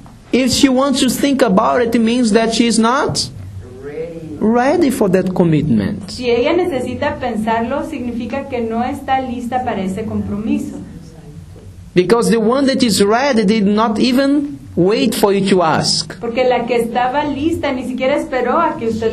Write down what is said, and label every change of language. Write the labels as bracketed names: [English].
[English] If she wants to think about it, it means that she's not ready for that commitment. [Spanish] Si ella necesita pensarlo, significa que no está lista para ese compromiso. [English] Because the one that is ready did not even wait for you to ask. [Spanish] Porque la que estaba lista ni siquiera esperó a que usted